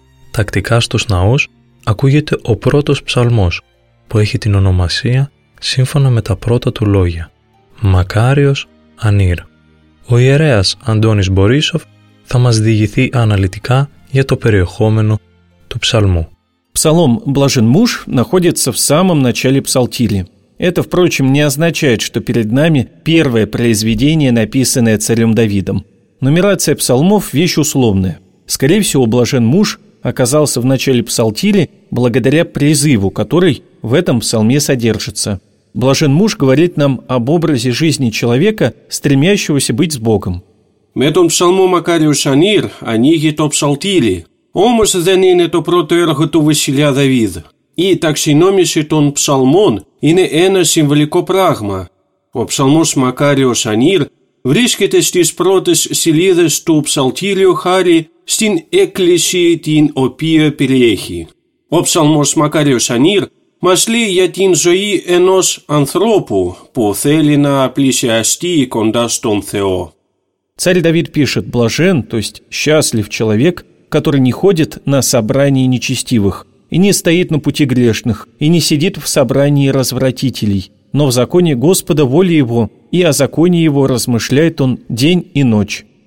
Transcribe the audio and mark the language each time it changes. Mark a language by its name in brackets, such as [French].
[Greek] Τακτικά στους ναούς ακούγεται ο πρώτος ψαλμός που έχει την ονομασία σύμφωνα με τα πρώτα του λόγια «Μακάριος Ανήρ». Ο ιερέας Αντώνης Μπορίσοφ θα μας διηγηθεί αναλυτικά για το περιεχόμενο του ψαλμού. [Russian] Псалом «Блажен муж» находится в самом начале псалтири. Это, впрочем, не означает, что перед нами первое произведение, написанное царем Давидом. Нумерация псалмов – вещь условная. Скорее всего, «блажен муж» оказался в начале псалтири благодаря призыву, который в этом псалме содержится. «Блажен муж» говорит нам об образе жизни человека, стремящегося быть с Богом. «Метон псалмо макариус анир, аниги то псалтири». [Greek] Όμως δεν είναι το πρώτο έργο του βασιλιά Δαβίδ. Η ταξινόμηση των ψαλμών είναι ένα συμβολικό πράγμα. Ο ψαλμός «Μακάριος Ανήρ» βρίσκεται στις πρώτες σελίδες του ψαλτήριου χάρη στην έκκληση την οποία περιέχει. Ο ψαλμός «Μακάριος Ανήρ» μας λέει για την ζωή ενός ανθρώπου που θέλει να πλησιαστεί κοντά στον Θεό. [Russian] Царь Давид пишет «блажен», то есть «счастлив человек», который не ходит на собрании нечестивых, и не стоит на пути грешных, и не сидит в собрании развратителей, но в законе Господа воли его, и о законе его размышляет он день и ночь.